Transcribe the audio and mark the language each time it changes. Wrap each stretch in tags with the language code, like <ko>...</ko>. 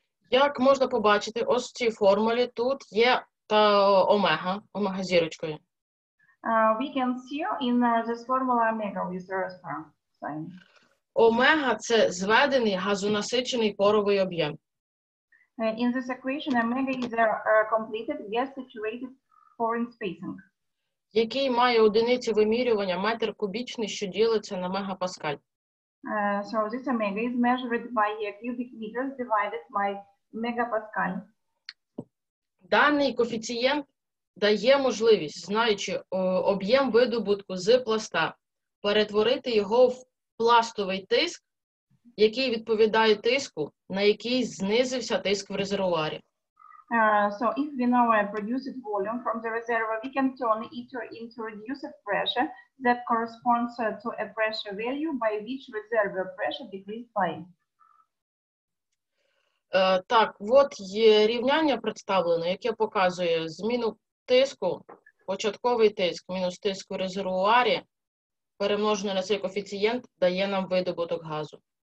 <uk>Як можна побачити, ось в цій формулі тут є та омега, омега зірочкою.</uk> <en>We can see in this formula omega with the star sign.</en> <uk>Омега – це зведений газонасичений поровий об'єм.</uk> <en>In this equation, omega is a completed gas-saturated pouring spacing.</en> <uk>Який має одиниці вимірювання метр кубічний, що ділиться на мегапаскаль.</uk> <en>So this omega is measured by cubic meters divided by мегапаскаль.</en> <uk>Даний коефіцієнт дає можливість, знаючи об'єм видобутку з пласта, перетворити його в пластовий тиск, який відповідає тиску, на який знизився тиск в резервуарі.</uk> <en>So if we know a produced volume from the reservoir, we can turn it into reduced pressure that corresponds to a pressure value by which reservoir pressure decreased by.</en> <uk>Так, от є рівняння представлене, яке показує зміну тиску, початковий тиск мінус тиск у резервуарі, перемножене на цей коефіцієнт, дає нам видобуток газу.</uk>